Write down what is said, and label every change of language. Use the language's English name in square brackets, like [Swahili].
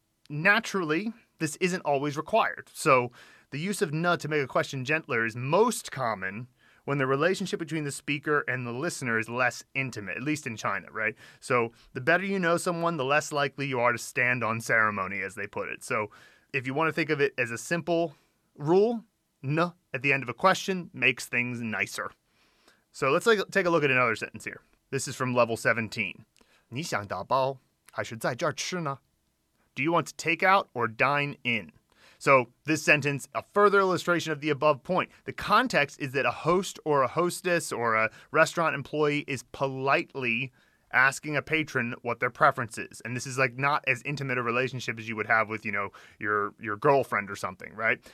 [English] Naturally, this isn't always required. So the use of na to make a question gentler is most common when the relationship between the speaker and the listener is less intimate, at least in China, right? So the better you know someone, the less likely you are to stand on ceremony, as they put it. So if you want to think of it as a simple rule, na at the end of a question makes things nicer. So let's take a look at another sentence here. This is from level 17. [Chinese] 你想打包还是在这儿吃呢? [English] Do you want to take out or dine in? So this sentence, a further illustration of the above point. The context is that a host or a hostess or a restaurant employee is politely asking a patron what their preference is. And this is like not as intimate a relationship as you would have with, you know, your girlfriend or something, right?